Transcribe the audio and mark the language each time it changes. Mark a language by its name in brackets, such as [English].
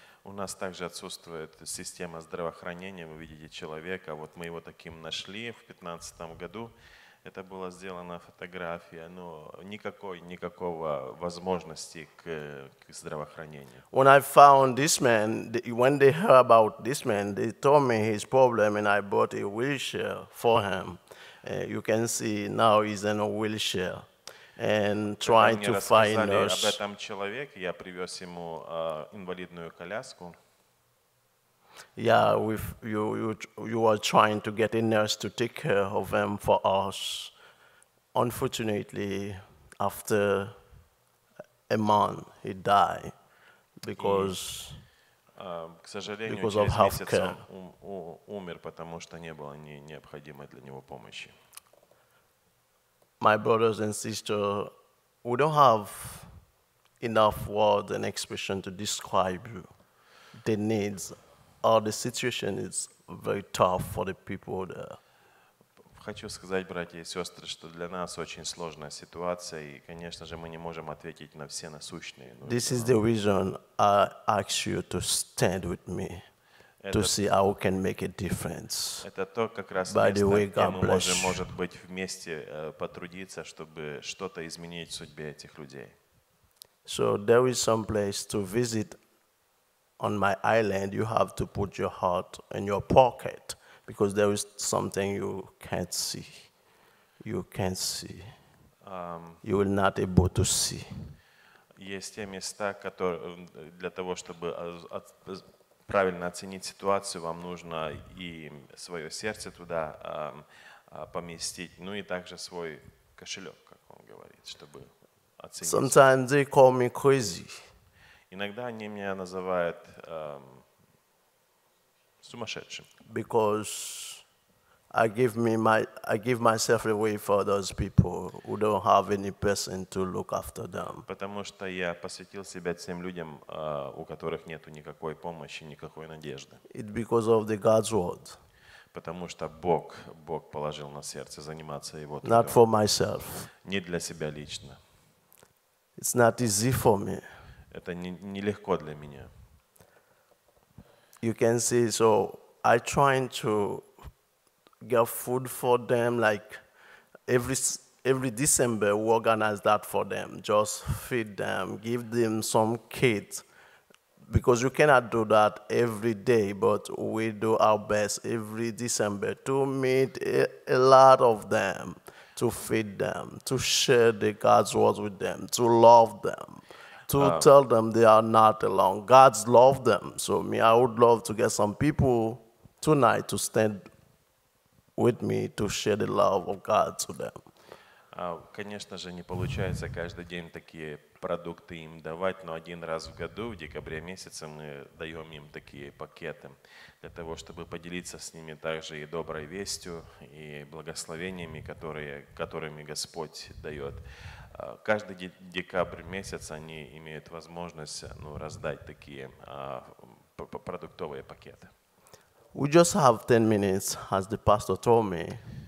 [Russian] У нас также отсутствует система здравоохранения. Вы видите человека. Вот мы его таким нашли в 2015 году. Это была сделана фотография. Но никакого возможности к здравоохранению. [English] When I found this man, when they heard about this man, they told me his problem, and I bought a wheelchair for him. You can see now he's in a wheelchair. And trying to find us. [Russian] Об этом человеке я привез ему инвалидную коляску. [English] Yeah, you are trying to get a nurse to take care of him for us. Unfortunately, after a month, he died because of healthcare. [Russian] Умер, потому что не было необходимой для него помощи. [English] My brothers and sisters, we don't have enough words and expression to describe you. The needs or the situation is very tough for the people there. [Russian] Хочу сказать, братья и сестры, что для нас очень сложная ситуация, и, конечно же, мы не можем ответить на все насущные. [English] This is the reason I ask you to stand with me. To see how we can make a difference. [Russian] Это то, как раз место, где мы можем, может быть, вместе потрудиться, чтобы что-то изменить в судьбе этих людей. [English] So there is some place to visit on my island. You have to put your heart in your pocket because there is something you can't see. You can't see. You will not able to see. [Russian] Есть те места, которые для того, чтобы правильно оценить ситуацию, вам нужно и свое сердце туда поместить, ну и также свой кошелек, как он говорит, чтобы оценить. [English] Sometimes they call me crazy. [Russian] Иногда они меня называют сумасшедшим. [English] Because I give myself away for those people who don't have any person to look after them. [Russian] Потому что я посвятил себя тем людям, у которых нету никакой помощи, никакой надежды. [English] It's because of the God's word. [Russian] Потому что Бог положил на сердце заниматься его трудом. [English] Not for myself. [Russian] Не для себя лично. [English] It's not easy for me. [Russian] Это не легко для меня. [English] You can see, so I trying to get food for them, like every December we organize that for them, just feed them, give them some kit, because you cannot do that every day, but we do our best every December to meet a lot of them, to feed them, to share the God's words with them, to love them. To tell them they are not alone. God loves them. So me, I would love to get some people tonight to stand with me to share the love of God to them. [Russian] Конечно же, не получается каждый день такие продукты им давать, но один раз в году, в декабре месяце, мы даем им такие пакеты для того, чтобы поделиться с ними также и доброй вестью, и благословениями, которыми Господь дает. Каждый декабрь месяц они имеют возможность раздать такие продуктовые пакеты. [English] We just have 10 minutes, as the pastor told me.